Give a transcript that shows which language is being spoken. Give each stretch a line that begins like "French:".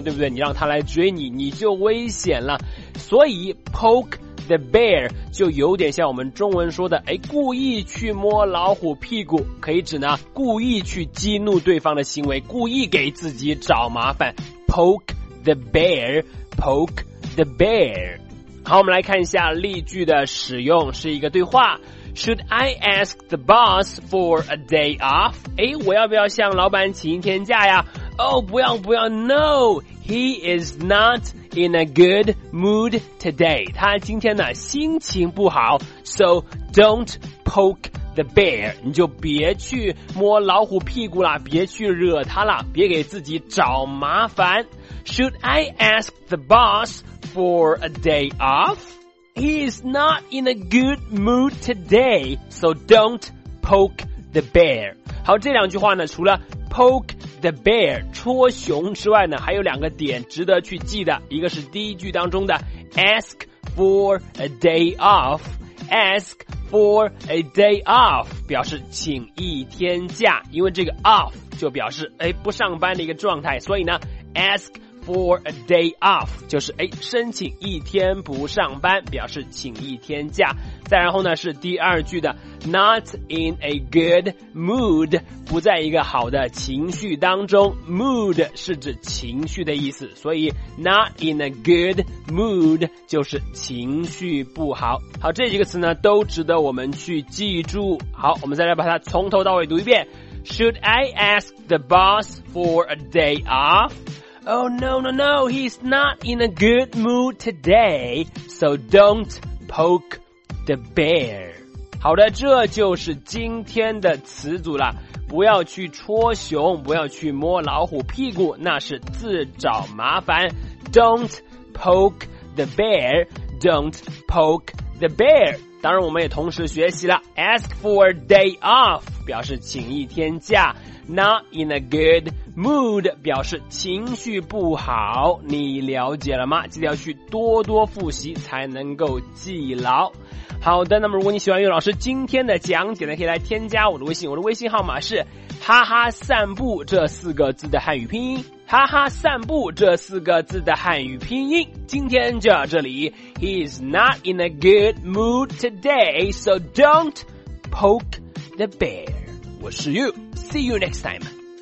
Chinese: 对不对？你让他来追你，你就危险了。所以 poke the bear 就有点像我们中文说的诶，故意去摸老虎屁股，可以指呢故意去激怒对方的行为，故意给自己找麻烦。
English: poke the bear， poke the bear。
Chinese: 好，我们来看一下例句的使用，是一个对话。
English: Should I ask the boss for a day off?
Chinese: 诶，我要不要向老板请一天假呀？
English: Oh,
Chinese: 不要不要，
English: No, he is not in a good mood today.
Chinese: 他今天呢心情不好，
English: So don't poke the bear.
Chinese: 你就别去摸老虎屁股了，别去惹他了，别给自己找麻烦。
English: Should I ask the boss for a day off? He is not in a good mood today, so don't poke the bear.
Chinese: 好，这两句话呢，除了 poke the bear, 戳熊之外呢，还有两个点值得去记的。一个是第一句当中的
English: ask for a day off,
Chinese: ask for a day off, 表示请一天假，因为这个 off 就表示诶不上班的一个状态，所以呢 askFor a day off 就是诶申请一天不上班，表示请一天假。再然后呢是第二句的
English: Not in a good mood，
Chinese: 不在一个好的情绪当中。 Mood 是指情绪的意思，所以
English: Not in a good mood
Chinese: 就是情绪不好。好，这几个词呢都值得我们去记住。好，我们再来把它从头到尾读一遍。
English: Should I ask the boss for a day offOh no no no, he's not in a good mood today, so don't poke the bear.
Chinese: 好的，这就是今天的词组了。不要去戳熊，不要去摸老虎屁股，那是自找麻烦。
English: Don't poke the bear, don't poke the bear.
Chinese: 当然我们也同时学习了
English: ask for a day off,
Chinese: 表示请一天假。
English: Not in a good mood
Chinese: 表示情绪不好，你了解了吗？记得要去多多复习才能够记牢。好的，那么如果你喜欢岳老师今天的讲解呢，可以来添加我的微信，我的微信号码是哈哈散步这四个字的汉语拼音，哈哈散步这四个字的汉语拼音。今天就到这里。
English: He's not in a good mood today, so don't poke the bear.
Chinese: 我是
English: You. See you next time.